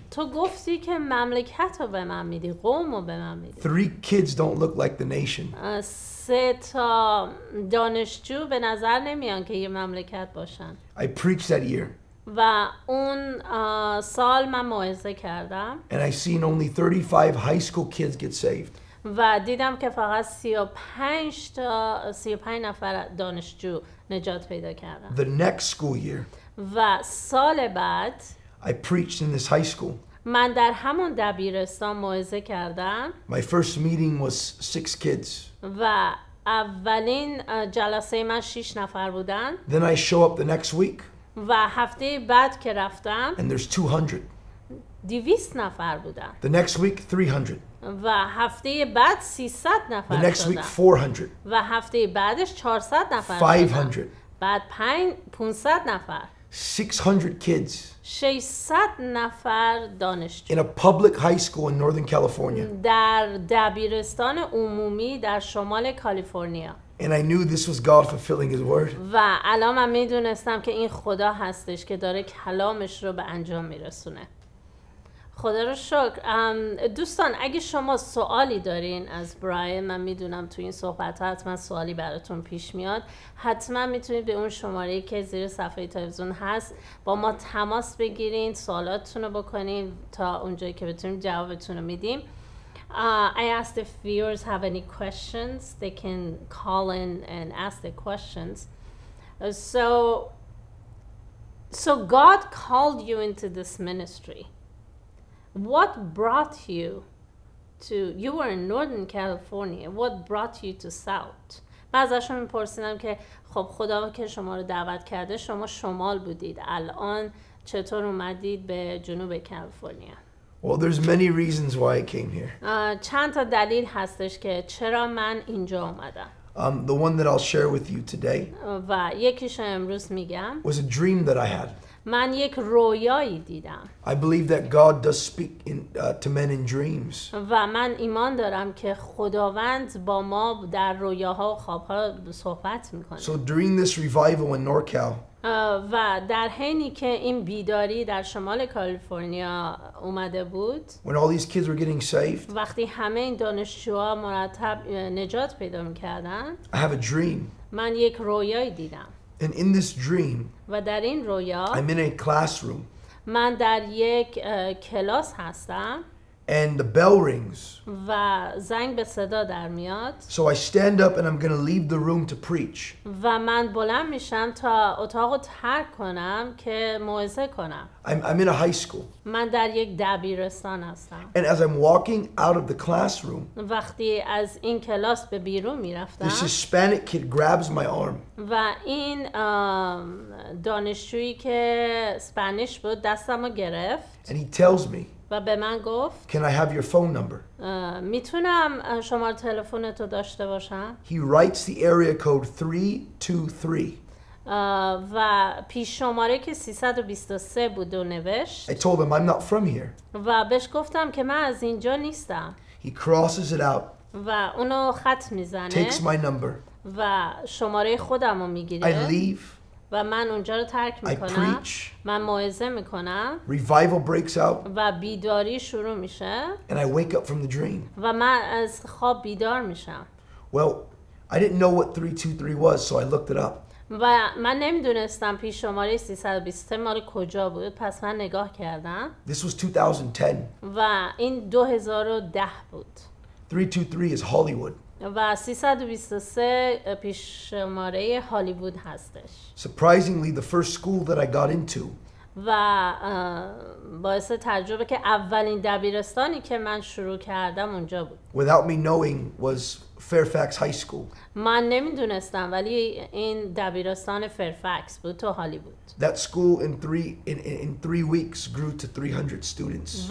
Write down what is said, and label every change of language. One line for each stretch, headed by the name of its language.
Persian: تو گفتی که مملکت رو به من میدی، قوم رو به من میدی.
English: 3 kids don't look like the nation.
Persian: 3 تا دانشجو به نظر نمیان که یه مملکت باشن.
English: I preached that year.
Persian: و اون سال من موعظه کردم.
English: And I seen only 35 high school kids get saved.
Persian: و دیدم که فقط 35 نفر دانشجو نجات پیدا کردن.
English: The next school year.
Persian: و سال بعد.
English: I preached in this high school.
Persian: من در همون دبیرستان موعظه کردم.
English: My first meeting was 6 kids.
Persian: و اولین جلسه من 6 نفر بودن.
English: Then I show up the next week.
Persian: و هفته بعد که رفتم
English: 200.
Persian: 200 نفر بودن.
English: The next week 300.
Persian: و هفته بعد 300 نفر شدن.
English: The next week 400.
Persian: و هفته بعدش 400 نفر.
English: 500.
Persian: بعد 500 نفر.
English: 600 kids.
Persian: 600 نفر دانشجو.
English: In a public high school in Northern California.
Persian: در دبیرستان عمومی در شمال کالیفرنیا.
English: And I knew this was God fulfilling His word.
Persian: و الان من میدونستم که این خدا هستش که داره کلامش رو به انجام میرسونه. خدا رو شکر. دوستان اگه شما سوالی دارین از برایان، من میدونم تو این صحبت ها حتما سوالی براتون پیش میاد، حتما میتونید به اون شماره که زیر صفحه تلویزیون هست با ما تماس بگیرین، سوالاتتون رو بکنین تا اونجایی که بتونیم جوابتون رو میدیم.
English: I asked if viewers have any questions, they can call in and ask the questions. So God called you into this ministry. What brought you to, you were in Northern California, what brought you to South?
Persian: من ازشون میپرسیدم که خب خدا که شما رو دعوت کرده شما شمال بودید، الان چطور اومدید به جنوب کالیفرنیا؟
English: Well, there's many reasons why I came here.
Persian: چند تا دلیل هستش که چرا من اینجا اومدم.
English: The one that I'll share with you today
Persian: و یکیش امروز میگم
English: was a dream that I had.
Persian: من یک رویایی دیدم.
English: I believe that God does speak in, to men in dreams.
Persian: و من ایمان دارم که خداوند با ما در رویاها و خوابها صحبت میکنه.
English: So during this revival in NorCal
Persian: و در حینی که این بیداری در شمال کالیفرنیا اومده بود
English: when all these kids were getting saved
Persian: وقتی همه این دانشجوها مرتب نجات پیدا میکردن
English: I have a dream.
Persian: من یک رویایی دیدم.
English: And in this dream,
Persian: و در این رویا,
English: I'm in a classroom.
Persian: من در یک کلاس هستم.
English: And the bell rings.
Persian: و زنگ به صدا در میاد.
English: So I stand up and I'm going to leave the room to preach.
Persian: و من بلند میشم تا اتاقو ترک کنم که موعظه کنم.
English: I'm in a high school.
Persian: من در یک دبیرستان هستم.
English: And as I'm walking out of the classroom,
Persian: وقتی از این کلاس به بیرون میرفتم,
English: this Hispanic kid grabs my arm.
Persian: و این دانشجویی که اسپانیش بود دستمو گرفت.
English: And he tells me,
Persian: و به من گفت
English: Can I have your phone number?
Persian: میتونم شماره تلفنتو داشته باشم؟
English: He writes the area code 323.
Persian: و پیش شماره که 323 بود و نوشت.
English: I told him I'm not from here.
Persian: و بهش گفتم که من از اینجا نیستم.
English: He crosses it out.
Persian: و اونو خط میزنه.
English: Takes my number.
Persian: و شماره خودمو میگیره.
English: I leave.
Persian: و من اونجا رو ترک میکنم. من موعظه میکنم.
English: Revival breaks out.
Persian: و بیداری شروع میشه.
English: And I wake up from the dream.
Persian: و من از خواب بیدار میشم.
English: Well, I didn't know what 323 was, so I looked it up.
Persian: و من نمیدونستم پیش شماره 323 مال کجا بود، پس من نگاه کردم.
English: This was 2010.
Persian: و این 2010 بود.
English: 323 is Hollywood.
Persian: و 323 پیش شماره هالیوود هستش.
English: Surprisingly, the first school that I got into.
Persian: و باعث تعجبه که اولین دبیرستانی که من شروع کردم اونجا بود.
English: Without me knowing, was Fairfax High School.
Persian: من نمیدونستم ولی این دبیرستان فرفاکس بود تو هالیوود.
English: That school in three weeks grew to 300 students.